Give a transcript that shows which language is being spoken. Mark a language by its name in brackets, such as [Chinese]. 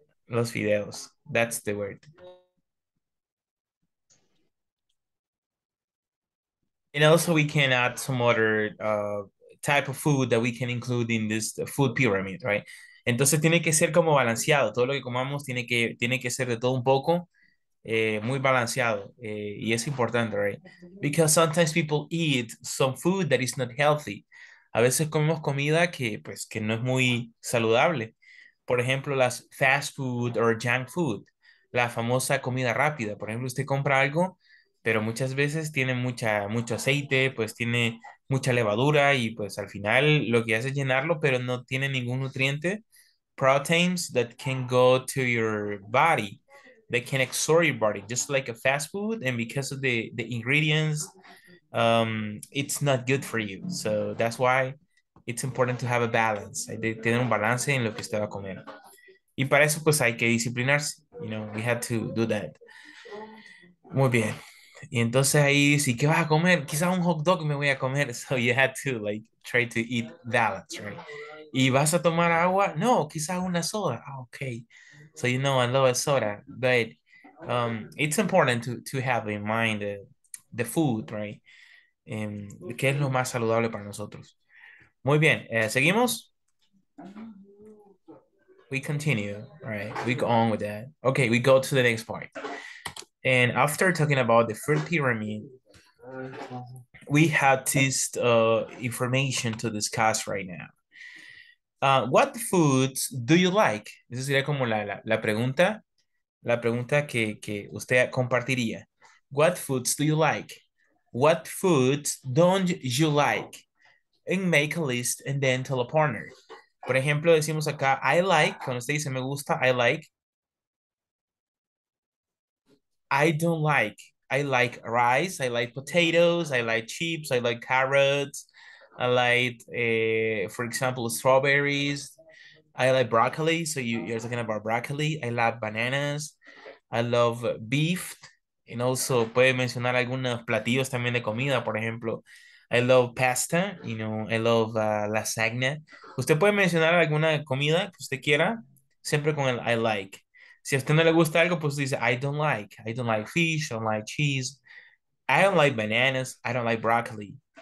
[Spanish] Los fideos. [English] That's the word. And also, we can add some other type of food that we can include in this food pyramid, right? [Spanish] Entonces, tiene que ser como balanceado. Todo lo que comamos tiene que ser de todo un poco. Muy balanceado, y es importante, [English] right? Because sometimes people eat some food that is not healthy. [Spanish] A veces comemos comida que no es muy saludable. Por ejemplo, las [English] fast food or junk food, [Spanish] la famosa comida rápida. Por ejemplo, usted compra algo, pero muchas veces tiene mucho aceite, pues tiene mucha levadura, y pues al final lo que hace es llenarlo, pero no tiene ningún nutriente. [English] Proteins that can go to your body. They can absorb your body just like a fast food, and because of the ingredients, it's not good for you. So that's why it's important to have a balance. [Spanish] De tener un balance en lo que usted va a comer. Y para eso pues hay que disciplinarse. [English] You know, we had to do that. [Spanish] Muy bien. Y entonces ahí dice, ¿qué vas a comer? Quizás un hot dog me voy a comer. [English] So you had to like try to eat balance, right? [Spanish] ¿Y vas a tomar agua? No, quizás una soda. [English] Oh, okay. So you know, a little soda. But it's important to have in mind the food, right? [Spanish] ¿Qué es lo más saludable para nosotros? Muy bien. ¿Seguimos? [English] We continue, right? We go on with that. Okay, we go to the next part. And after talking about the food pyramid, we have this information to discuss right now. What foods do you like? [Spanish] Esa sería como la pregunta que usted compartiría. [English] What foods do you like? What foods don't you like? And make a list and then tell a partner. [Spanish] Por ejemplo, decimos acá, [English] I like, [Spanish] cuando usted dice me gusta, I like. [English] I don't like. I like rice, I like potatoes, I like chips, I like carrots, I like, for example, strawberries, I like broccoli, so you're talking about broccoli, I love bananas, I love beef, and also [Spanish] puede mencionar algunos platillos también de comida, por ejemplo, [English] I love pasta, you know, I love lasagna. [Spanish] Usted puede mencionar alguna comida que usted quiera, siempre con el [English] I like. [Spanish] Si a usted no le gusta algo, pues dice, [English] I don't like fish, I don't like cheese, I don't like bananas, I don't like broccoli.